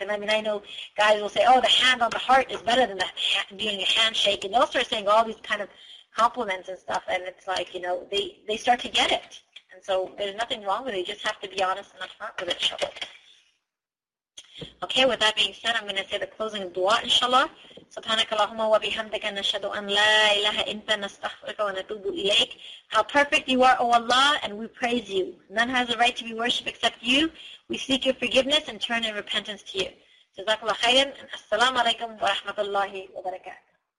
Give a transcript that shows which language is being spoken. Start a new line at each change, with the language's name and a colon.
English: And I mean, I know guys will say, "Oh, the hand on the heart is better than being a handshake," and they'll start saying all these kind of compliments and stuff. And it's like, you know, they start to get it. And so there's nothing wrong with it. You just have to be honest and upfront with it, inshallah. Okay, with that being said, I'm going to say the closing dua, inshallah.
Arabic: سبحانك اللهم وبحمدك نشهد أن لا إله إنت نستغفرك ونتوب إليك.
English: How perfect you are, O Allah, and we praise you. None has the right to be worshipped except you. We seek your forgiveness and turn in repentance to you.
Arabic: جزاك الله خيرا. السلام عليكم ورحمة الله وبركاته.